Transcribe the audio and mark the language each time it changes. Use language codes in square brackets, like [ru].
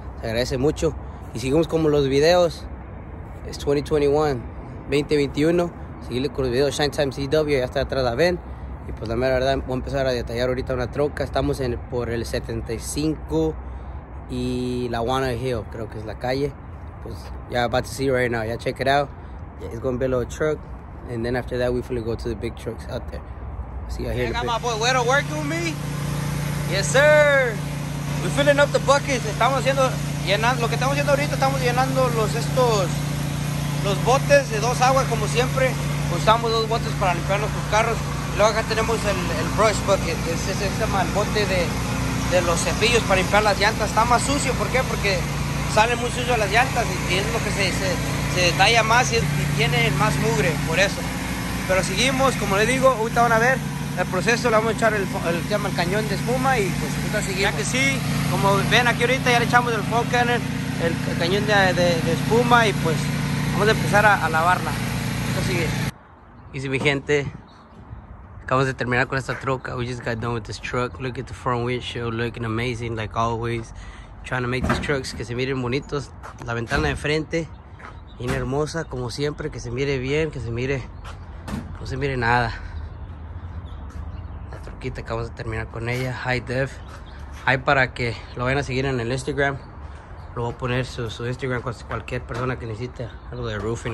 [es] Se agradece mucho. Y seguimos con los videos. Es 2021. Seguirle con los videos. Shine Time CW, ya está atrás la Ben. Y pues la mera verdad, voy a empezar a detallar ahorita una troca. Estamos en, por el 75 y la Wanna Hill, creo que es la calle. Pues ya [en] about to see right now, ya check it out. Yeah, it's going to be a little truck. And then after that, we fully go to the big trucks out there. See y'all here. I got my boy Güero working with me. Yes, sir. We're filling up the buckets. [es] Estamos haciendo, llenando, lo que estamos haciendo ahorita, estamos llenando los botes de dos aguas, como siempre. Usamos dos botes para limpiar nuestros carros. Luego acá tenemos el brush bucket, el bote de los cepillos para limpiar las llantas. Está más sucio, ¿por qué? Porque salen muy sucios las llantas y es lo que se detalla más y tiene más mugre, por eso. Pero seguimos, como les digo, ahorita van a ver el proceso, le vamos a echar el cañón de espuma y pues ahorita seguimos. Ya que sí, como ven aquí ahorita ya le echamos el foam cannon, el cañón de espuma y pues vamos a empezar a lavarla. Esto sigue. Y si mi gente... Acabamos de terminar con esta troca. [en] We just got done with this truck. Look at the front windshield looking amazing, like always. Trying to make these trucks [es] que se miren bonitos. La ventana de frente, bien hermosa, como siempre. Que se mire bien, que se mire. No se mire nada. La troquita, acabamos de terminar con ella. Hi, Dev. Hi, para que lo vayan a seguir en el Instagram. Lo voy a poner su Instagram con cualquier persona que necesite algo de roofing.